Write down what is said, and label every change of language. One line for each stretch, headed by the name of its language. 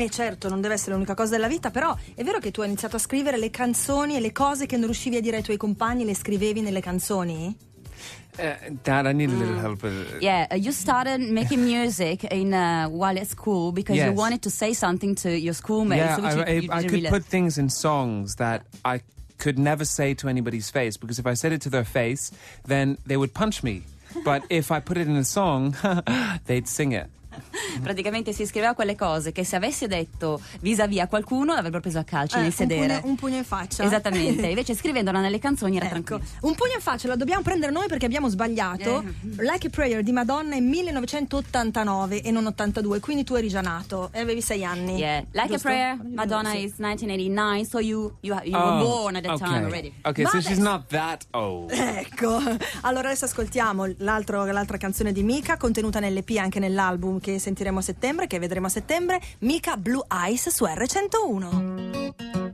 Italian: Certo, non deve essere l'unica cosa della vita, però è vero che tu hai iniziato a scrivere le canzoni e le cose che non riuscivi a dire ai tuoi compagni le scrivevi nelle canzoni?
English: Dad, I need a little help with it. Yeah, you started making music in while at school because you wanted to say something to your schoolmates. Yeah, so I could put things in songs that I could never say to anybody's face because if I said it to their face, then they would punch me. But if I put it in a song, they'd sing it.
Italian: Praticamente si scriveva quelle cose che se avesse detto vis-à-vis a qualcuno l'avrebbero preso a calci nel sedere. Un pugno in faccia. Esattamente. Invece scrivendola nelle canzoni era tranquillo. Un pugno in faccia, la dobbiamo prendere noi perché abbiamo sbagliato. Like a Prayer di Madonna è 1989 e non 82, quindi tu eri già nato e avevi 6 anni.
English: Yeah. Like a Prayer, Madonna is 1989, so you were born at that time already. Okay, so she's not that old.
Italian: Ecco. Allora adesso ascoltiamo l'altra canzone di Mika, contenuta nell'EP e anche nell'album che sentiremo a settembre, Mika Blue Eyes su R101.